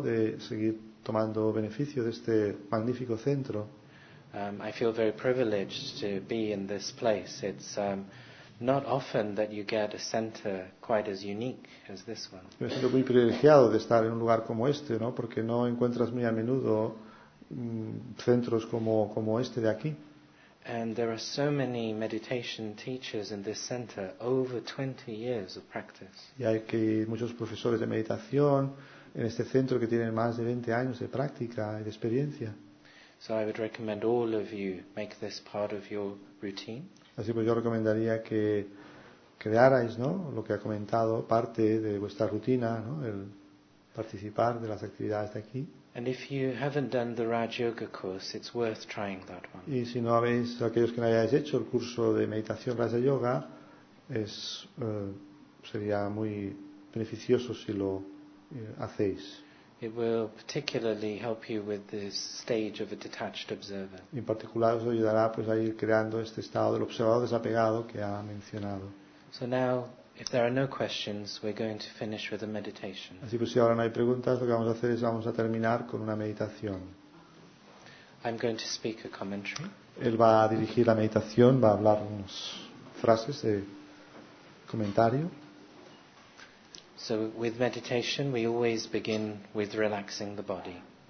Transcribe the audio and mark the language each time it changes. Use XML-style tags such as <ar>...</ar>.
<es>De seguir tomando beneficio de este magnífico centro.</es> <en>I feel very privileged to be in this place. It's not often that you get a center quite as unique as this one.</en> <es>Me siento muy privilegiado de estar en un lugar como este, ¿no? Porque no encuentras muy a menudo centros como este de aquí.</es> <en>And there are so many meditation teachers in this center, over 20 years of practice.</en> <es>Y hay que muchos profesores de meditación en este centro que tienen más de 20 años de práctica y de experiencia.</es> <en>So I would recommend all of you make this part of your routine.</en> <es>Así pues yo recomendaría que crearais, ¿no? Lo que ha comentado, parte de vuestra rutina, ¿no? El participar de las actividades de aquí.</es> <en>And if you haven't done the Raj Yoga course, it's worth trying that one.</en> <es>Y si no habéis, aquellos que no hayáis hecho el curso de meditación Raja Yoga, es sería muy beneficioso si lo hacéis.</es> <en>It will particularly help you with this stage of a detached observer.</en> <es>En particular os ayudará pues a ir creando este estado del observador desapegado que ha mencionado.</es> <en>So now, if there are no questions, we're going to finish with a meditation.</en> <es>Así pues, si ahora no hay preguntas, lo que vamos a hacer es vamos a terminar con una meditación.</es> <en>I'm going to speak a commentary.</en> <es>Él va a dirigir la meditación, va a hablar unas frases de comentario.</es> <en>So with meditation, we always begin with relaxing the body.</en>